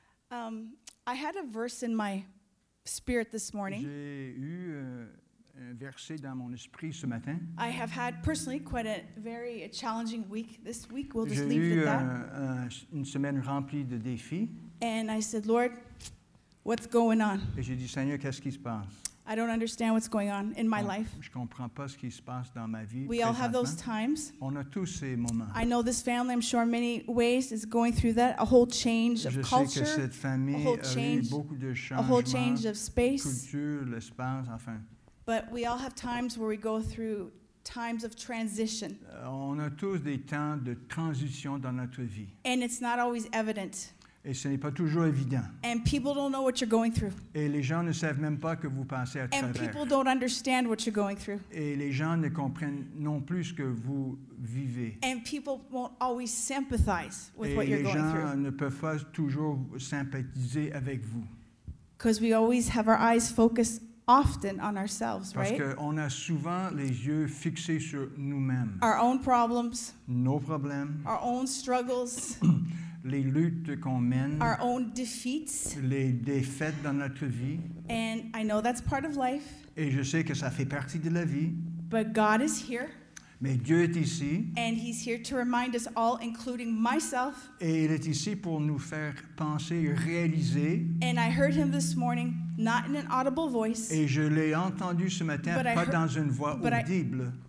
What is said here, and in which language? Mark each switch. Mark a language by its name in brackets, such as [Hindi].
[English] I had a verse in my spirit this morning. [French] J'ai eu un verset dans mon esprit ce matin. [English] I have had personally quite a very challenging week this week. We'll just [French] J'ai [English] leave [French] eu [English] it at that. [French] Une semaine remplie de défis. [English] And I said, Lord, what's going on? [French] Et j'ai dit, Seigneur, qu'est-ce qui se passe? [English] I don't understand what's going on in my life. [French] Je comprends pas ce qui se passe dans ma vie. [English] We all have those times. [French] On a tous ces moments. [English] I know this family, I'm sure, in many ways is going through that, a whole change of culture. [French] Je sais que cette famille a eu beaucoup de changements. [English] A whole change of space. [French] Culture, l'espace, enfin. [English] But we all have times where we go through times of transition. [French] On a tous des temps de transition dans notre vie. [English] And it's not always evident. [French] Et ce n'est pas toujours évident. [English] And people don't know what you're going through. [French] Et les gens ne savent même pas que vous passez à [English] And [French] travers. [English] People don't understand what you're going through. [French] Et les gens ne comprennent non plus ce que vous vivez. [English] And people won't always sympathize with [French] Et [English] what you're [French] les gens [English] going through. [French] Ne peuvent pas toujours sympathiser avec vous. [English] Because we always have our eyes focused often on ourselves, [French] Parce [English] right? [French] Parce qu'on a souvent les yeux fixés sur nous-mêmes. [English] Our own problems. [French] Nos problèmes. [English] Our own struggles. [French] Les luttes qu'on mène, [English] our own defeats, [French] les défaites dans notre vie, [English] and I know that's part of life, [French] et je sais que ça fait partie de la vie, [English] but God is here, [French] mais Dieu est ici, [English] and he's here to remind us all, including myself, [French] et il est ici pour nous faire penser, réaliser, [English] and I heard him this morning, not in an audible voice, [French] et je l'ai entendu ce matin, pas [English] heard, [French] dans une voix audible,